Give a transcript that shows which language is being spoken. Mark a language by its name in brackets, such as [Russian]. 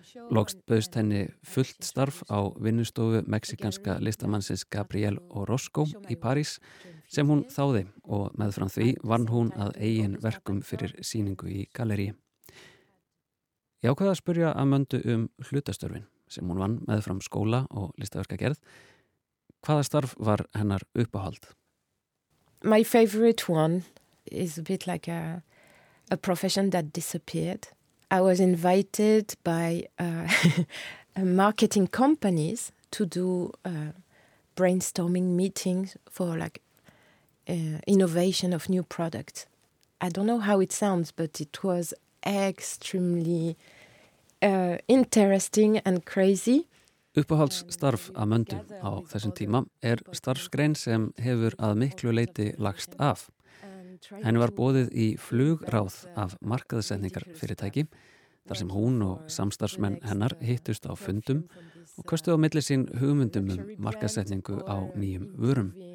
[Icelandic] Loks bauðst henni fullt starf á vinnustofu mexikanska listamannsins Gabriel Orozco í París sem hún þáði og meðfram því vann hún að eigin verkum fyrir sýningu í galleríi. Já, hvað að spurja Amanda um hlutastörfin sem hún vann meðfram skóla og listaverkagerð. Hvaða starf var hennar uppáhald? [English] My favorite one is a bit like a profession that disappeared. I was invited by marketing companies to do brainstorming meetings for like innovation of new products. I don't know how it sounds, but it was extremely interesting and crazy. [Icelandic] Uppáhaldsstarf Amöndu á þessum tíma er starfsgrein sem hefur að miklu leiti lagst af. Henni var boðið í flugráð af markaðsetningar fyrirtæki, þar sem hún og samstarfsmenn hennar hittust á fundum og köstuðu á milli sín hugmyndum um markaðsetningu á nýjum vörum.